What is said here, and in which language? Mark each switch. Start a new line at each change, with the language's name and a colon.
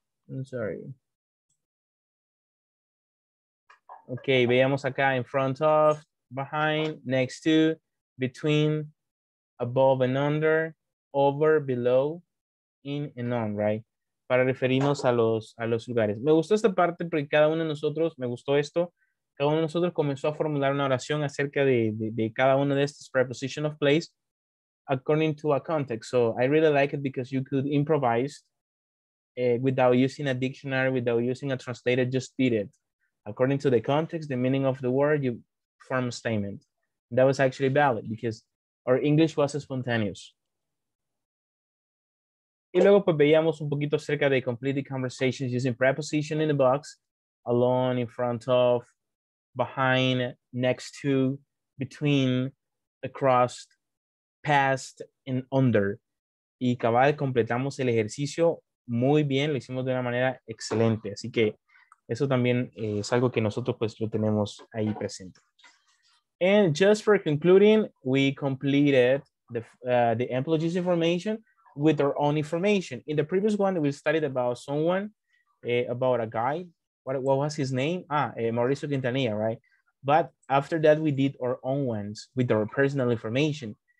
English: I'm sorry. Okay,
Spanish: veíamos acá
English: in front of, behind, next to, between, above and under, over, below, in and on, right?
Spanish: Para referirnos a los lugares. Me gustó esta parte porque cada uno de nosotros, me gustó esto, cada uno de nosotros comenzó a formular una oración acerca de cada uno de estos
English: preposition of place according to a context. So I really like it because you could improvise without using a dictionary, without using a translator, just did it. According to the context, the meaning of the word, you form a statement. That was actually valid because our English was spontaneous.
Spanish: Y luego pues veíamos un poquito acerca de
English: completed conversations using preposition in the box, alone, in front of, behind, next to, between, across, past, and under.
Spanish: Y cabal, completamos el ejercicio muy bien, lo hicimos de una manera excelente. Así que eso también es algo que nosotros pues lo tenemos ahí presente.
English: And just for concluding, we completed the employee's information with our own information. In the previous one, we studied about someone, about a guy. What was his name? Mauricio Quintanilla, right? But after that, we did our own ones with our personal information.